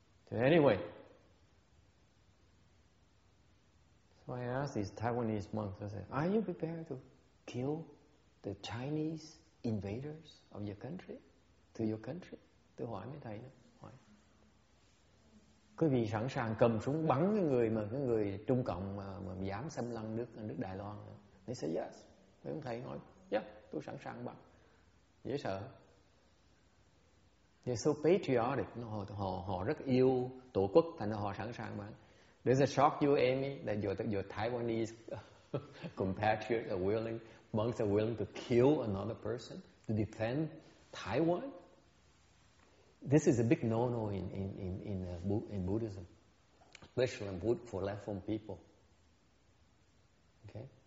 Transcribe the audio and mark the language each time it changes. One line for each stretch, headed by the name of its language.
English: So anyway, so I asked these Taiwanese monks, I said, are you prepared to kill the Chinese invaders of your country, to your country?
Vietnamese: Tôi hỏi mấy thầy nữa, hỏi. Quý vị sẵn sàng cầm súng bắn cái người Trung Cộng mà dám xâm lăng nước Đài Loan.
English: They say yes.
Vietnamese: Mấy ông thầy nói, yeah, tôi sẵn sàng bắn. Dễ sợ.
English: They're so patriotic.
Vietnamese: Họ rất yêu tổ quốc, thành họ sẵn sàng bắn.
English: There's a shock you, Amy, that your Taiwanese compatriots are willing, monks are willing to kill another person to defend Taiwan? This is a big no-no in Buddhism, especially in for left-wing people. Okay.